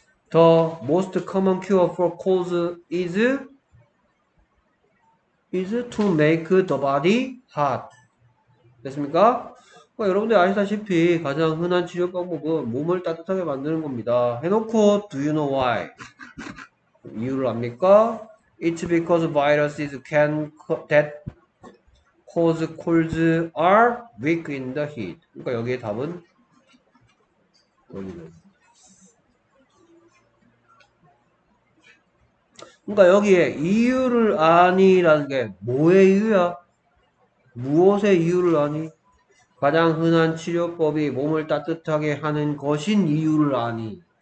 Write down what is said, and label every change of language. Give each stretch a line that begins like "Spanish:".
English: The most common cure for colds is to make the body hot.
Korean: 됐습니까? 여러분들 아시다시피 가장 흔한 치료 방법은 몸을 따뜻하게 만드는 겁니다. 해놓고,
English: Do you know why?
Korean: 이유를 압니까?
English: It's because viruses that cause colds are weak in the heat.
Korean: 그러니까 여기에 답은 여기는. 그러니까 여기에 이유를 아니라는 게 뭐의 이유야? 무엇의 이유를 아니? 가장 흔한 치료법이 몸을 따뜻하게 하는 것인 이유를 아니.